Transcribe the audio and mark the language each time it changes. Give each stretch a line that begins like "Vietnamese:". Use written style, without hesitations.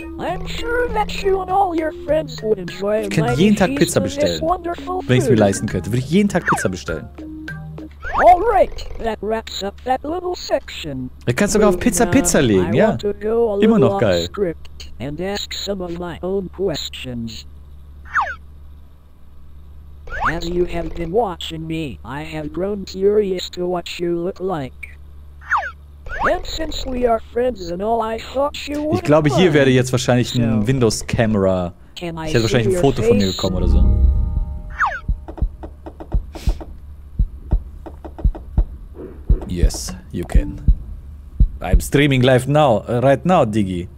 English: I'm sure that you and all your friends would enjoy it.
German: Ich könnte jeden Tag Pizza bestellen. Wenn ich es mir leisten könnte, würde ich jeden Tag Pizza bestellen.
English: Alright, that wraps up that little section.
German: Du kannst sogar auf Pizza Pizza legen, ja. Immer noch geil.
English: And ask some of my own questions. As you have been watching me, I have grown curious to what you look like. And since we are friends and all, I thought you would.
German: Ich glaube, hier werde jetzt wahrscheinlich ein Windows Camera. Ich hätte wahrscheinlich ein Foto von mir bekommen oder so.
English: Yes, you can. I'm streaming live now, right now, Diggy.